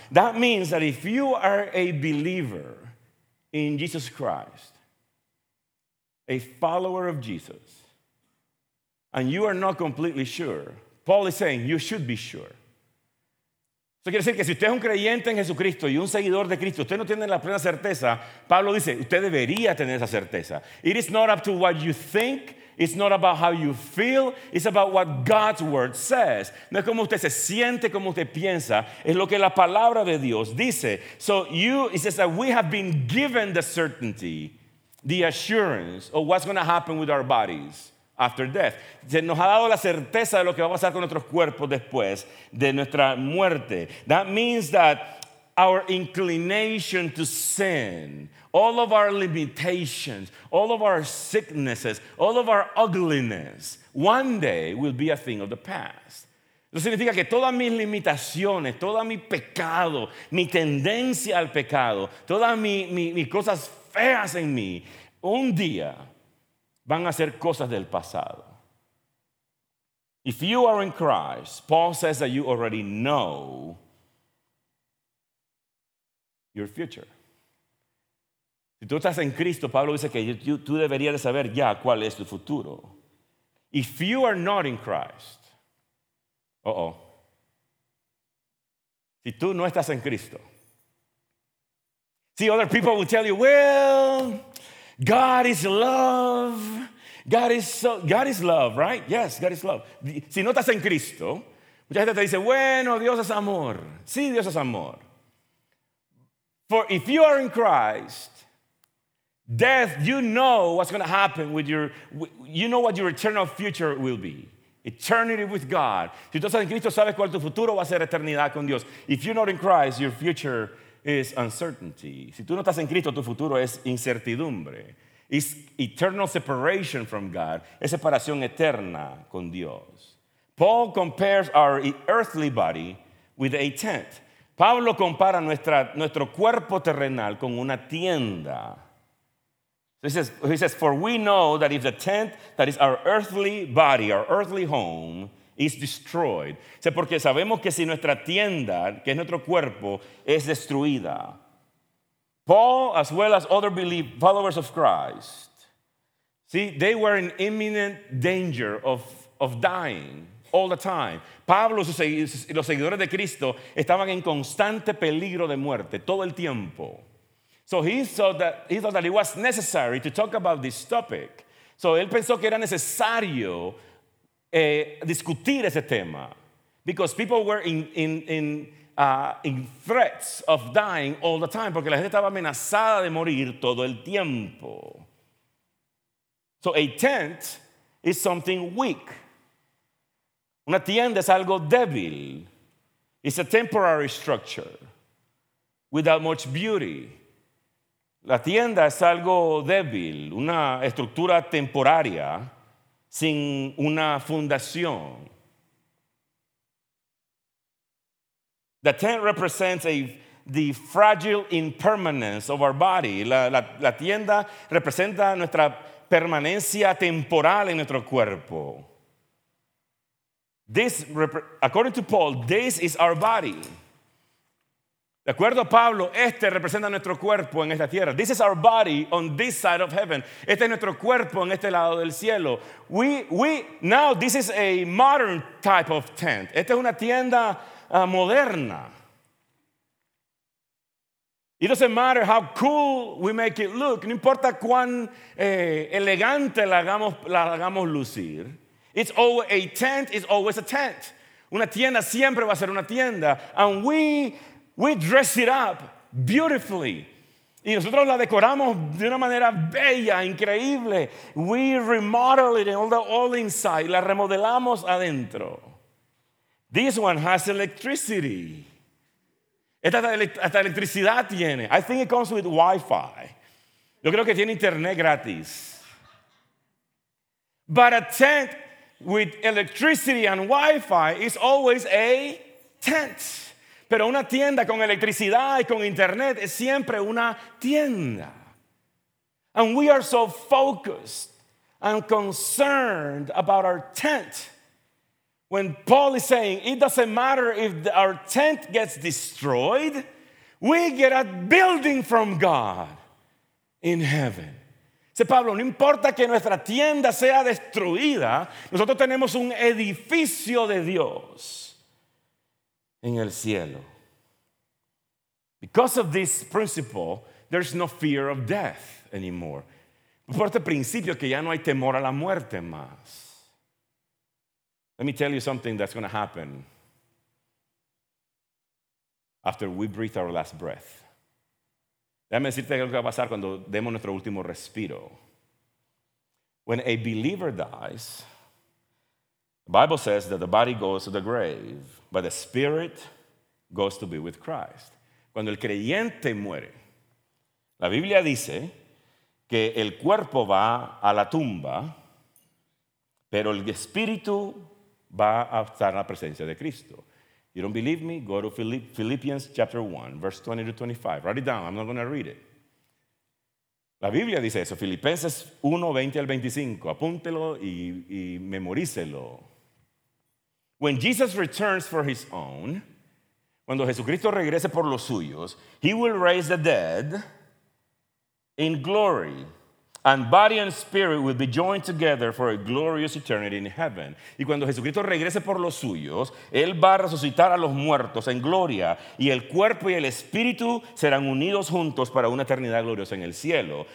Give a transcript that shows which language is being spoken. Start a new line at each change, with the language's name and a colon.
English: That means that if you are a believer in Jesus Christ, a follower of Jesus, and you are not completely sure, Paul is saying you should be sure.
Spanish: Eso quiere decir que si usted es un creyente en Jesucristo y un seguidor de Cristo, usted no tiene la plena certeza, Pablo dice, usted debería tener esa certeza.
English: It is not up to what you think. It's not about how you feel. It's about what God's word says.
Spanish: No es como usted se siente, como usted piensa. Es lo que la palabra de Dios dice.
English: So you, it says that we have been given the certainty, the assurance of what's going to happen with our bodies after death.
Spanish: Se nos ha dado la certeza de lo que va a pasar con nuestros cuerpos después de nuestra muerte.
English: That means that our inclination to sin, all of our limitations, all of our sicknesses, all of our ugliness, one day will be a thing of the past.
Spanish: Eso significa que todas mis limitaciones, todo mi pecado, mi tendencia al pecado, todas mis cosas feas en mí, un día van a ser cosas del pasado.
English: If you are in Christ, Paul says that you already know your future.
Spanish: Si tú estás en Cristo, Pablo dice que tú deberías de saber ya cuál es tu futuro.
English: If you are not in Christ,
Spanish: Si tú no estás en Cristo,
English: see, other people will tell you, well, God is love. God is love, right? Yes, God is love.
Spanish: Si no estás en Cristo, mucha gente te dice, bueno, Dios es amor. Sí, Dios es amor.
English: For if you are in Christ, death, you know what's going to happen with your, you know what your eternal future will be. Eternity with God.
Spanish: Si tú estás en Cristo, sabes cuál tu futuro va a ser, eternidad con Dios.
English: If you're not in Christ, your future is uncertainty.
Spanish: Si tú no estás en Cristo, tu futuro es incertidumbre.
English: It's eternal separation from God.
Spanish: Es separación eterna con Dios.
English: Paul compares our earthly body with a tent.
Spanish: Pablo compara nuestro cuerpo terrenal con una tienda.
English: He says, for we know that if the tent, that is our earthly body, our earthly home, is destroyed.
Spanish: O sea, porque sabemos que si nuestra tienda, que es nuestro cuerpo, es destruida.
English: Paul, as well as other followers of Christ, see, they were in imminent danger of dying all the time.
Spanish: Pablo y los seguidores de Cristo estaban en constante peligro de muerte todo el tiempo.
English: So he thought that it was necessary to talk about this topic.
Spanish: So él pensó que era necesario discutir ese tema,
English: because people were in threats of dying all the time,
Spanish: porque la gente estaba amenazada de morir todo el tiempo.
English: So a tent is something weak.
Spanish: Una tienda es algo débil.
English: It's a temporary structure without much beauty.
Spanish: La tienda es algo débil, una estructura temporaria sin una fundación.
English: The tent represents the fragile impermanence of our body.
Spanish: La tienda representa nuestra permanencia temporal en nuestro cuerpo.
English: This, according to Paul, this is our body.
Spanish: De acuerdo a Pablo, este representa nuestro cuerpo en esta tierra.
English: This is our body on this side of heaven.
Spanish: Este es nuestro cuerpo en este lado del cielo.
English: Now this is a modern type of tent.
Spanish: Esta es una tienda moderna.
English: It doesn't matter how cool we make it look.
Spanish: No importa cuán elegante la hagamos lucir.
English: It's always a tent. It's always a tent.
Spanish: Una tienda siempre va a ser una tienda.
English: And we dress it up beautifully.
Spanish: Y nosotros la decoramos de una manera bella, increíble.
English: We remodel it all inside.
Spanish: La remodelamos adentro.
English: This one has electricity.
Spanish: Esta hasta electricidad tiene.
English: I think it comes with Wi-Fi.
Spanish: Yo creo que tiene internet gratis.
English: But a tent with electricity and Wi-Fi is always a tent.
Spanish: Pero una tienda con electricidad y con internet es siempre una tienda.
English: And we are so focused and concerned about our tent. When Paul is saying, it doesn't matter if our tent gets destroyed, we get a building from God in heaven.
Spanish: Dice Pablo, no importa que nuestra tienda sea destruida, nosotros tenemos un edificio de Dios en el cielo.
English: Because of this principle, there's no fear of death anymore.
Spanish: Por este principio que ya no hay temor a la muerte más.
English: Let me tell you something that's going to happen after we breathe our last breath.
Spanish: Déjame decirte algo que va a pasar cuando demos nuestro último respiro.
English: When a believer dies, the Bible says that the body goes to the grave, but the spirit goes to be with Christ.
Spanish: Cuando el creyente muere, la Biblia dice que el cuerpo va a la tumba, pero el espíritu va a estar en la presencia de Cristo.
English: You don't believe me? Go to Philippians chapter 1, verse 20 to 25. Write it down. I'm not going to read it.
Spanish: La Biblia dice eso. Filipenses 1, 20 al 25. Apúntelo y memorícelo.
English: When Jesus returns for his own,
Spanish: cuando Jesucristo regrese por los suyos,
English: he will raise the dead in glory. And body and spirit will be joined together for a glorious eternity in heaven.
Spanish: Y cuando Jesucristo regrese por los suyos, Él va a resucitar a los muertos en gloria, y el cuerpo y el espíritu serán unidos juntos para una eternidad gloriosa en el cielo.